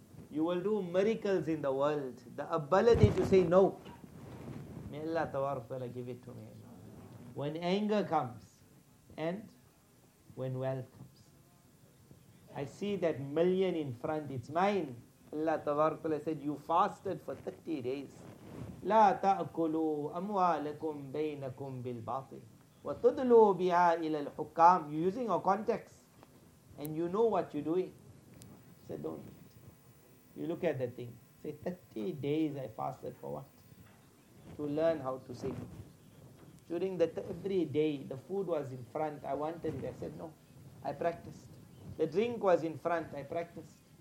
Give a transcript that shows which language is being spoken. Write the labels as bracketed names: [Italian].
[English] You will do miracles in the world. The ability to say no. May Allah tawarfala give it to me. When anger comes and when wealth comes. I see that million in front, it's mine. Allah tawarfala said, you fasted for 30 days. [Arabic] لا تأكلوا أموالكم بينكم بالباطل وتدلوا بها إلى الحكام. [English] You're using our context and you know what you're doing. Say, don't. You look at the thing. Say, 30 days I fasted for what? To learn how to say no. During that every day, the food was in front. I wanted it. I said, no. I practiced. The drink was in front. I practiced.